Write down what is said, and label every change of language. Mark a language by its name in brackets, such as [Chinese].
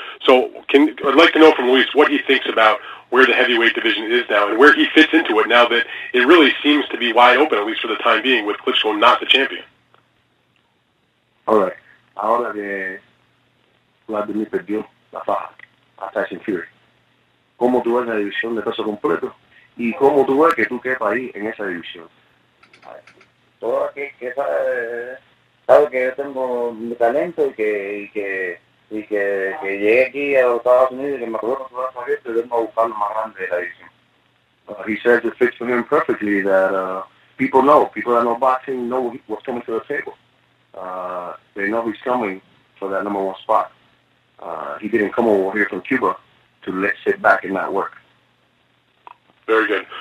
[English] So I'd like to know from Luis what he thinks about where the heavyweight division is now and where he fits into it now that it really seems to be wide open, at least for the time being, with Klitschko not the champion. All right. [Spanish] Ahora que Vladimir perdió la faja a Tyson Fury, ¿cómo tú ves la división de peso completo? ¿Y cómo tú ves que tú quepa ahí en esa división? Todo aquí que sabe que yo tengo mi talento y que llegué aquí a los Estados Unidos y que me acuerdo con todas las veces, vengo a buscar lo más grande de la división. [English] He says it fits for him perfectly that people that know boxing know what's coming to the table. They know he's coming for that number one spot. He didn't come over here from Cuba to let sit back and not work. Very good.